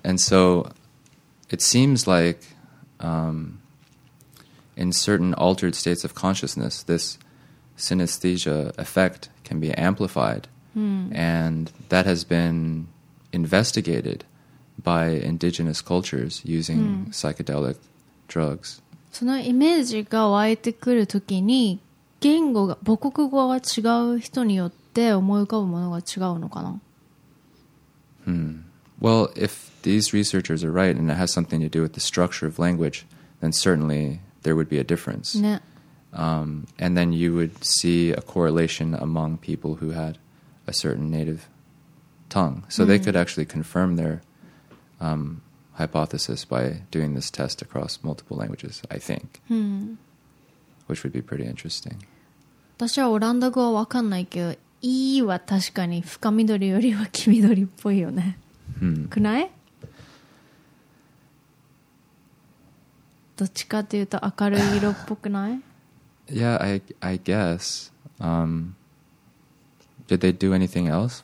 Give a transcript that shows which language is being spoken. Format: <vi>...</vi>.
<en>And so it seems like、in certain altered states of consciousness, this synesthesia effect... can be amplified、and that has been investigated by indigenous cultures using、psychedelic drugs.</en> <ja>そのイメージが湧いてくるときに言語が母国語が違う人によって思い浮かぶものが違うのかな、</ja> <en>Well, if these researchers are right and it has something to do with the structure of language, then certainly there would be a difference. ね And then you would see a correlation among people who had a certain native tongue. So、they could actually confirm their、hypothesis by doing this test across multiple languages, I think.、Which would be pretty interesting.</en> <ja>私はオランダ語は分かんないけど、E は確かに深緑よりは黄緑っぽいよね。くない? どっちかというと明るい色っぽくない?</ja> <en>Yeah, I guess.、did they do anything else?</en>